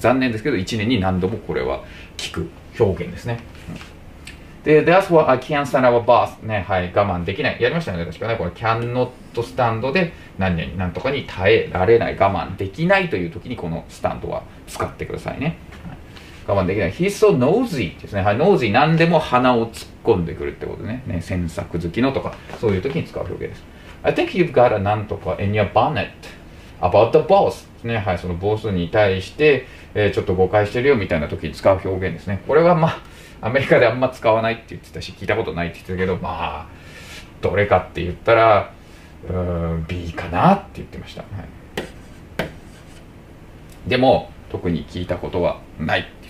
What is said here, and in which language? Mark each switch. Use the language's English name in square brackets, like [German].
[Japanese] 残念ですけど1年に何度もこれは聞く表現ですね、うん、で、 [English] That's why I can't stand our boss [Japanese] ね、はい、我慢できない、やりましたよね、確かね、これ cannot stand で何々、何とかに耐えられない、我慢できないという時にこの stand は使ってくださいね。我慢できない。 [English] He's so nosy [Japanese] ですね。はい、nosy 何でも鼻を突っ込んでくるってことね。ね、詮索好きのとか、そういう時に使う表現です。 [English] I think you've got a [Japanese] なんとか [English] in your bonnet about the boss ですね。 [Japanese] はい、そのボスに対して、ちょっと誤解してるよみたいな時に使う表現ですね。これはまあ、アメリカであんま使わないって言ってたし、聞いたことないって言ってたけど、まあ、どれかって言ったら、B かなって言ってました。はい、でも、特に聞いたことはない。